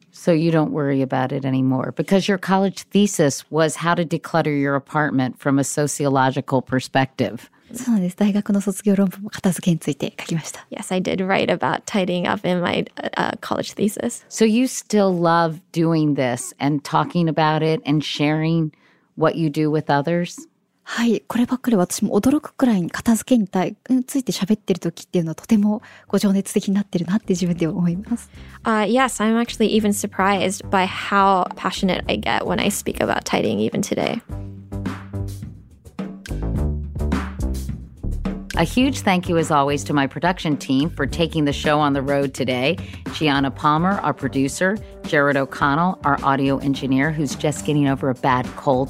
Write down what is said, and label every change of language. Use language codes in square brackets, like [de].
[en] So you don't worry about it anymore, because your college thesis was how to declutter your apartment from a sociological perspective. Yes, I did write about tidying up in my college thesis. So you still love doing this and talking about it and sharing what you do with others? [ja] はい、こればっかり私も驚くくらいに片付けについて喋ってる時っていうのはとてもご情熱的になってるなって自分では思います。 [en] Yes, I'm actually even surprised by how passionate I get when I speak about tidying even today. A huge thank you as always to my production team for taking the show on the road today. Gianna Palmer, our producer, Jared O'Connell, our audio engineer, who's just getting over a bad cold.